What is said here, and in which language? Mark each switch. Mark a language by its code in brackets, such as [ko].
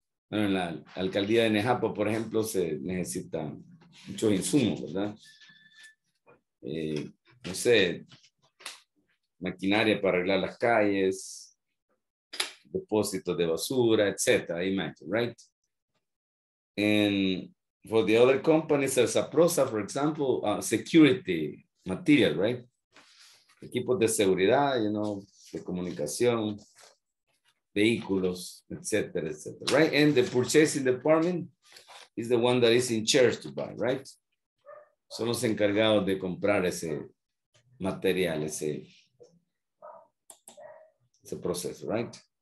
[es] Bueno, en la alcaldía de Nejapa, por ejemplo, se necesitan muchos insumos, ¿verdad? No sé, maquinaria para arreglar las calles, depósitos de basura, etc. [en] Imagine, right? And for the other companies, as Zaprosa, for example, security material, right? [es] Equipos de seguridad, you know, de comunicación, vehículos, etc., right? [en] And the purchasing department is the one that is in charge to buy, right? [es] Son los encargados de comprar ese material, ese proceso, right?